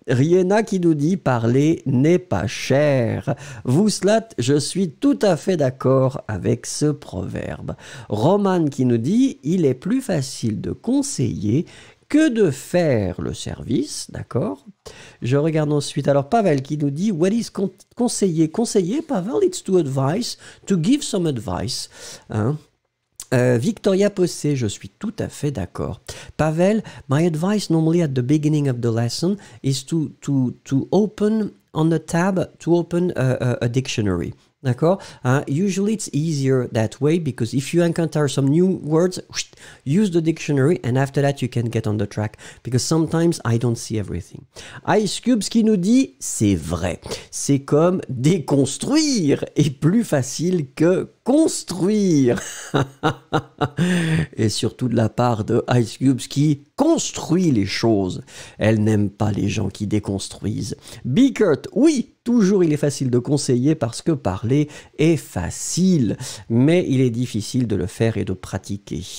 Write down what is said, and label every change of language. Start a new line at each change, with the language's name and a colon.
French: Riena qui nous dit, parler n'est pas cher. Vouslat, je suis tout à fait d'accord avec ce proverbe. Roman qui nous dit, il est plus facile de conseiller que de faire le service, d'accord? Je regarde ensuite. Alors, Pavel qui nous dit,
English: what is conseiller? Conseiller, Pavel, it's to advise, to give some advice. Hein?
French: Victoria Posse, je suis tout à fait d'accord.
English: Pavel, my advice normally at the beginning of the lesson is to open on the tab, to open a dictionary.
French: D'accord?
English: Usually it's easier that way because if you encounter some new words, use the dictionary and after that you can get on the track because sometimes I don't see everything.
French: Ice Cube, ce qui nous dit, c'est vrai. C'est comme déconstruire est plus facile que construire. Et surtout de la part de Ice Cube qui construit les choses. Elle n'aime pas les gens qui déconstruisent. Bickert, oui, toujours il est facile de conseiller parce que parler est facile, mais il est difficile de le faire et de pratiquer.